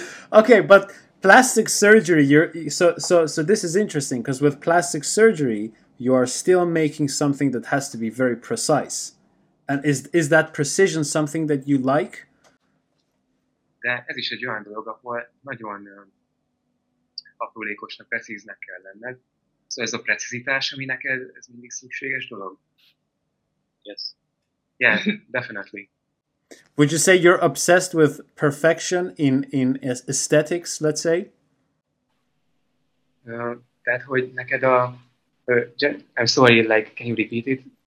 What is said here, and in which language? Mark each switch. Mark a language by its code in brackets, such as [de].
[en] Okay, but plastic surgery, so this is interesting, because with plastic surgery you are still making something that has to be very precise. And is that precision something that you like? [hu] De ez is egy olyan dolog, ahol nagyon aprólékosnak, precíznek kell lenned. Szóval ez a precizitás, ami neked, ez mindig szükséges dolog. [en] Yes. Yeah, definitely. Would you say you're obsessed with perfection in aesthetics, let's say? That would [hu] neked a [en] I'm sorry, like, can you repeat it?